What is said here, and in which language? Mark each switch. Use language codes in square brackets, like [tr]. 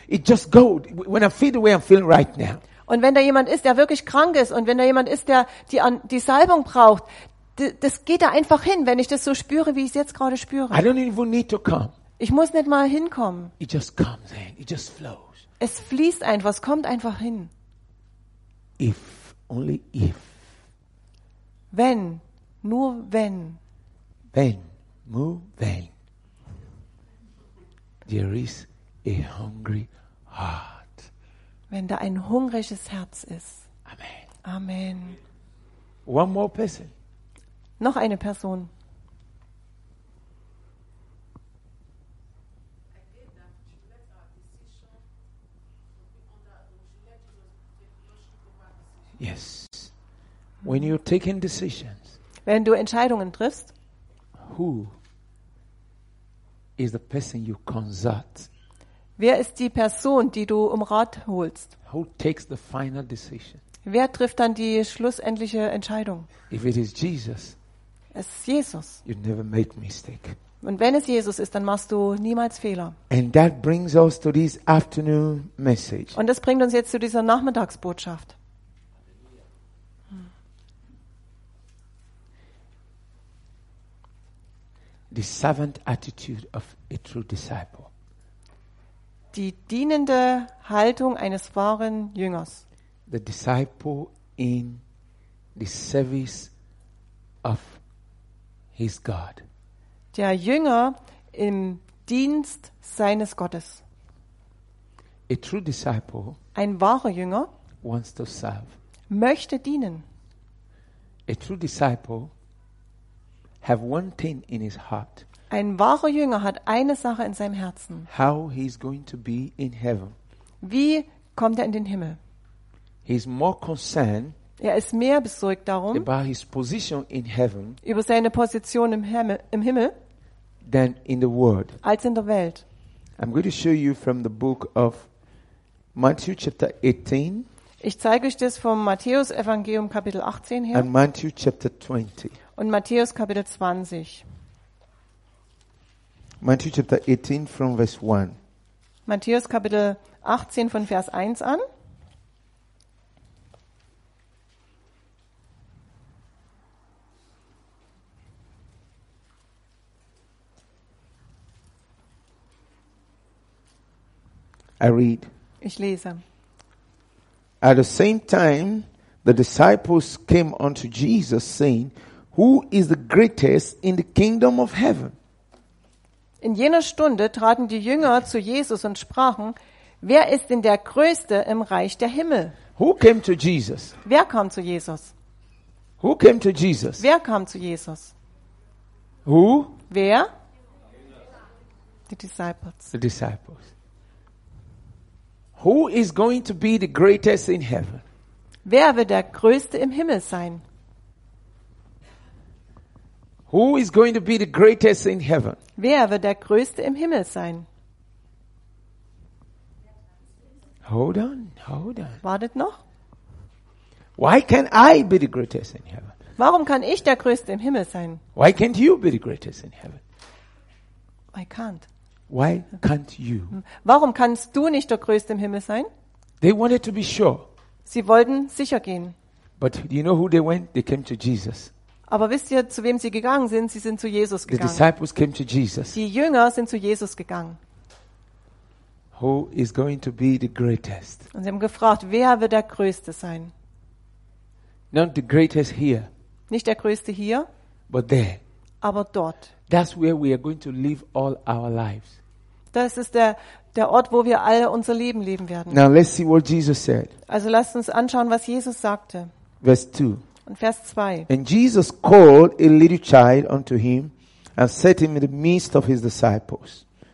[en] It just go when I feel the way I'm feeling right now. [de] Und wenn da jemand ist, der wirklich krank ist, und wenn da jemand ist, der die Salbung braucht. Das geht da einfach hin, wenn ich das so spüre, wie ich es jetzt gerade spüre. [en] I don't even need to come. [de] Ich muss nicht mal hinkommen. [en] It just comes in. It just flows. [de] Es fließt einfach, es kommt einfach hin. [en] If, only if. [de] Wenn, nur wenn. Wenn, nur wenn. [en] There is a hungry heart. [de] Wenn da ein hungriges Herz ist. [en] Amen. [de] Amen. [en] One more person. [de] Noch eine Person. [en] Yes. When you're taking decisions. [de] Wenn du Entscheidungen triffst. [en] Who is the person you consult? [de] Wer ist die Person, die du um Rat holst? [en] Who takes the final decision? [de] Wer trifft dann die schlussendliche Entscheidung? [en] If it is Jesus. [de] Es ist Jesus. [en] You never make mistake. [de] Und wenn es Jesus ist, dann machst du niemals Fehler. [en] And that brings us to this afternoon message. [de] Und das bringt uns jetzt zu dieser Nachmittagsbotschaft. [en] The servant attitude of a true disciple. [de] Die dienende Haltung eines wahren Jüngers. [en] The disciple in the service of His God. [de] Der Jünger im Dienst seines Gottes. [en] A true disciple. [de] Ein wahrer Jünger. [en] Wants to serve. [de] Möchte dienen. [en] A true disciple have one thing in his heart. [de] Ein wahrer Jünger hat eine Sache in seinem Herzen. [en] How he is going to be in heaven. [de] Wie kommt er in den Himmel? [en] He is more concerned. [de] Er ist mehr besorgt darum [en] about his position in heaven, [de] über seine Position im Himmel [en] than in the world. [de] Als in der Welt. [en] I'm going to show you from the book of Matthew chapter 18. [de] Ich zeige euch das vom Matthäus Evangelium Kapitel 18 her. [en] And Matthew chapter 20. [de] Und Matthäus Kapitel 20. [en] Matthew chapter 18 from verse 1. [de] Matthäus Kapitel 18 von Vers 1 an. [en] I read. [de] Ich lese. [en] At the same time, the disciples came unto Jesus, saying, "Who is the greatest in the kingdom of heaven?" [de] In jener Stunde traten die Jünger zu Jesus und sprachen: "Wer ist denn der Größte im Reich der Himmel?" [en] Who came to Jesus? [de] Wer kam zu Jesus? [en] Who came to Jesus? [de] Wer kam zu Jesus? [en] Who? [de] Wer? [en] The disciples. Who is going to be the greatest in heaven? [de] Wer wird der Größte im Himmel sein? [en] Who is going to be the greatest in heaven? [de] Wer wird der Größte im Himmel sein? [en] Hold on. [de] Wartet noch. [en] Why can I be the greatest in heaven? [de] Warum kann ich der Größte im Himmel sein? [en] Why can't you be the greatest in heaven? I can't. Why can't you? [de] Warum kannst du nicht der Größte im Himmel sein? [en] They wanted to be sure. [de] Sie wollten sicher gehen. [en] But do you know who they went? They came to Jesus. [de] Aber wisst ihr, zu wem sie gegangen sind? Sie sind zu Jesus gegangen. [en] The disciples came to Jesus. [de] Die Jünger sind zu Jesus gegangen. [en] Who is going to be the greatest? [de] Und sie haben gefragt, wer wird der Größte sein? [en] Not the greatest here. [de] Nicht der Größte hier. [en] But there. [de] Aber dort. [en] That's where we are going to live all our lives. [de] Das ist der Ort, wo wir alle unser Leben leben werden. [en] Now let's see what Jesus said. [de] Also lasst uns anschauen, was Jesus sagte. [en] Verse 2. [de] Und Vers 2. [en] And Jesus called a little child unto him and set him in the midst of his disciples.